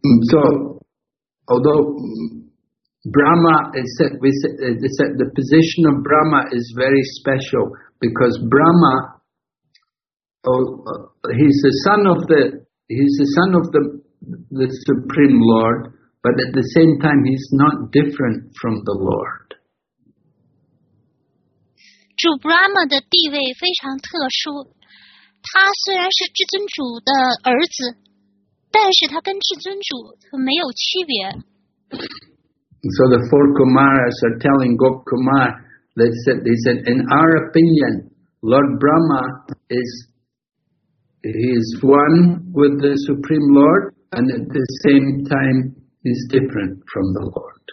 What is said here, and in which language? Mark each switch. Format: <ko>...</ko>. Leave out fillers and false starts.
<en>So, although Brahma, they said the position of Brahma is very special because Brahma, he's the son of the Supreme Lord, but at the same time, he's not different from the Lord.</en> <zh>主 Brahma 的地位非常特殊，他虽然是至尊主的儿子，但是他跟至尊主没有区别。</zh> <en>So the four Kumaras are telling Gop Kumar, they said, in our opinion, Lord Brahma is one with the Supreme Lord, and at the same time, he's different from the Lord.</en>